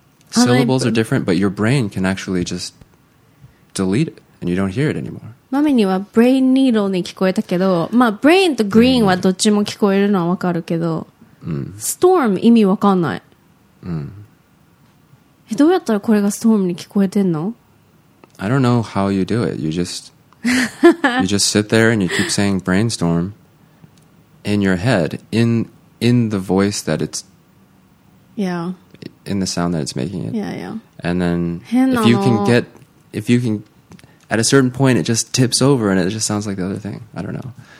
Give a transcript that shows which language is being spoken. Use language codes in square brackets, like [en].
[en] Syllables are different, but your brain can actually just... delete it, and you don't hear it anymore. [ja] マミにはブレインニードルに聞こえたけど、まあブレインとグリーンはどっちも聞こえるのはわかるけど、ストーム意味わかんない。え、どうやったらこれがストームに聞こえてんの? [en] I don't know how you do it. You just sit there and you keep saying brainstorm in your head, in the voice that it's... Yeah. In the sound that it's making it. Yeah, yeah. And then if you can get... If you can, at a certain point, it just tips over and it just sounds like the other thing. I don't know.